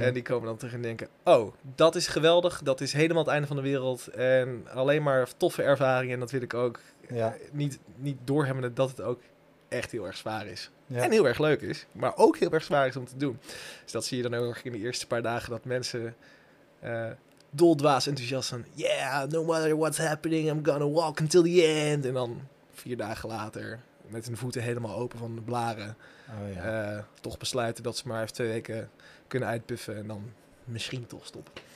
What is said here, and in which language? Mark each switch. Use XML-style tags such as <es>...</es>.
<nl>En die komen dan terug en denken, oh, dat is geweldig. Dat is helemaal het einde van de wereld. En alleen maar toffe ervaringen. En dat wil ik ook niet doorhebben dat het ook echt heel erg zwaar is. Ja. En heel erg leuk is. Maar ook heel erg zwaar is om te doen. Dus dat zie je dan ook in de eerste paar dagen dat mensen doldwaas enthousiast zijn.</nl> <en>Yeah, no matter what's happening, I'm gonna walk until the end.</en> <nl>En dan 4 dagen later, met hun voeten helemaal open van de blaren. Oh, ja. Toch besluiten dat ze maar even 2 weken kunnen uitpuffen en dan misschien toch stoppen.</nl>